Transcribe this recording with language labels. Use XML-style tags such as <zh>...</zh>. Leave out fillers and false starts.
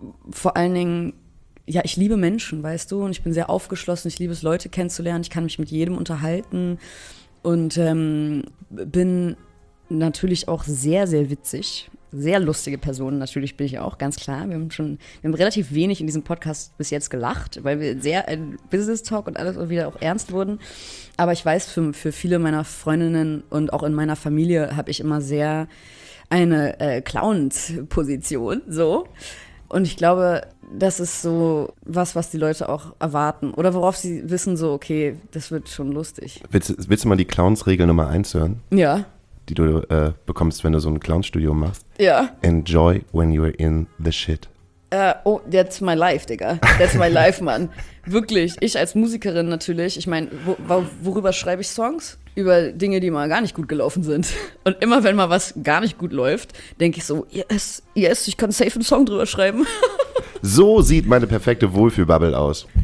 <de>Vor allen Dingen, ja, ich liebe Menschen, weißt du, und ich bin sehr aufgeschlossen, ich liebe es, Leute kennenzulernen, ich kann mich mit jedem unterhalten und bin natürlich auch sehr, sehr witzig, sehr lustige Person, natürlich bin ich auch, ganz klar, wir haben relativ wenig in diesem Podcast bis jetzt gelacht, weil wir sehr in Business Talk und alles und wieder auch ernst wurden, aber ich weiß, für viele meiner Freundinnen und auch in meiner Familie habe ich immer sehr eine Clown-Position, so. Und ich glaube, das ist so was die Leute auch erwarten. Oder worauf sie wissen, so, okay, das wird schon lustig. Willst du mal die Clowns-Regel Nummer 1 hören? Ja. Die du bekommst, wenn du so ein Clowns-Studio machst? Ja.</de> <en>Enjoy when you're in the shit. Oh, that's my life, Digga. That's my life, Mann.</en> <de>Wirklich, ich als Musikerin natürlich. Ich meine, worüber schreibe ich Songs? Über Dinge, die mal gar nicht gut gelaufen sind. Und immer, wenn mal was gar nicht gut läuft, denke ich so, yes, yes, ich kann safe einen Song drüber schreiben. So sieht meine perfekte Wohlfühlbubble aus.</de>